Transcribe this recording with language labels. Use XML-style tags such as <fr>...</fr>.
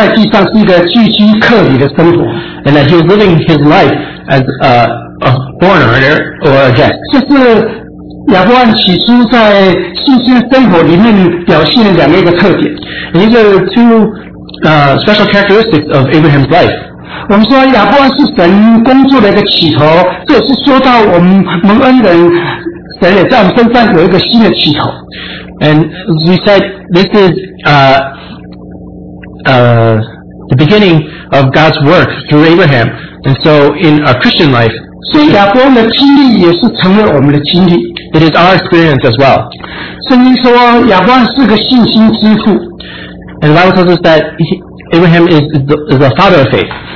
<zh>支搭帐篷就是讲到在地上是一个寄居客旅的生活。</zh> <en>And that he was living his life as a foreigner or a guest.</en> <zh>这是亚伯拉罕起初在信心生活里面表现的两个特点。</zh> <en>And these are two special characteristics of Abraham's life.</en> <zh>我们说亚伯拉罕是神工作的一个起头，这也是说到我们蒙恩人，神也在我们身上有一个新的起头。</zh> <en>And we said this is the beginning of God's work through Abraham. And so in our Christian life,</en> <zh>所以亚伯拉罕的经历也是成为我们的经历。</zh> <en>It is our experience as well.</en> <zh>圣经说亚伯拉罕是个信心之父。</zh> <en>And the Bible tells us that Abraham is the father of faith.</en>